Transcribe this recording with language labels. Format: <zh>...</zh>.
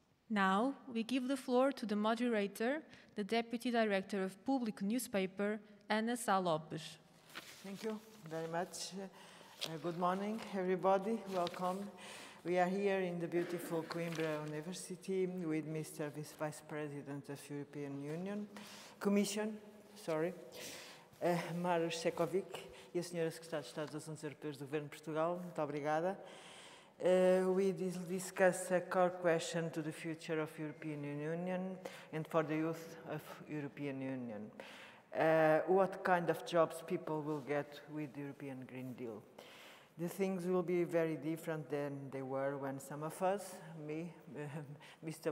<en>Now, we give the floor to the moderator, the Deputy Director of Public Newspaper, Ana Salopes. Thank you very much. Good morning, everybody. Welcome. We are here in the beautiful Coimbra University with Mr. Vice-President of European Union, Commission, sorry,</en> <pt>Maroš Šefčovič, e a Senhora Secretária de Estado das Relações Europeias do Governo de Portugal. Muito obrigada.</pt> <en>We discuss a core question to the future of European Union and for the youth of European Union. What kind of jobs people will get with the European Green Deal? The things will be very different than they were when some of us, me, Mr.</en>